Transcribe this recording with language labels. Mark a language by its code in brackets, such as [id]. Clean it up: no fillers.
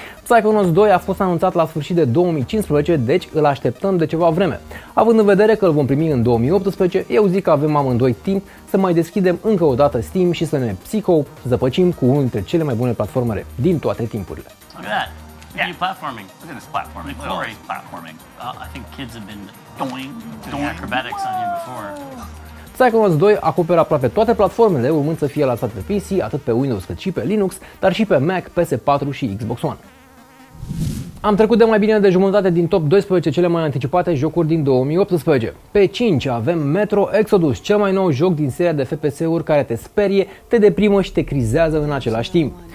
[ro] Psychonauts 2 a fost anunțat la sfârșit de 2015, deci îl așteptăm de ceva vreme. Având în vedere că îl vom primi în 2018, eu zic că avem amândoi timp să mai deschidem încă o dată Steam și să ne psico-zăpăcim cu unul dintre cele mai bune platformere din toate timpurile. [en] Yeah. New platforming. Look at this platforming. It's always platforming. I think kids have been doing acrobatics on here before. [ro] Psychonauts 2 acoperă aproape toate platformele, urmând să fie lansat pe PC, atât pe Windows cât și pe Linux, dar și pe Mac, PS4 și Xbox One. Am trecut de mai bine de jumătate din top 12 cele mai anticipate jocuri din 2018. Pe 5 avem Metro Exodus, cel mai nou joc din seria de FPS-uri care te sperie, te deprimă și te crizează în același timp.